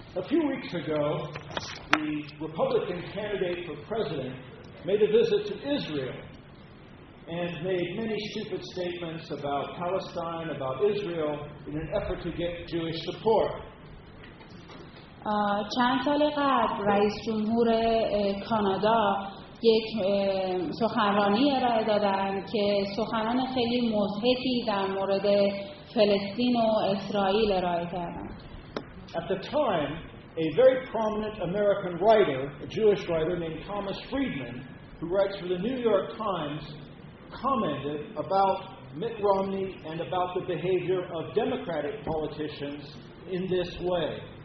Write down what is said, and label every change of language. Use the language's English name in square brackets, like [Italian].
[English] A few weeks ago, the Republican candidate for president made a visit to Israel and made many stupid statements about Palestine, about Israel in an effort to get Jewish support. [Persian] چند سال قبل رئیس جمهور کانادا یک سخنرانی ارائه دادن که سخنان خیلی مضحکی در مورد فلسطین و اسرائیل ارائه کردن. [English] At the time, a very prominent American writer, a Jewish writer named Thomas Friedman, who writes for the New York Times, commented about Mitt Romney and about the behavior of Democratic politicians in this way.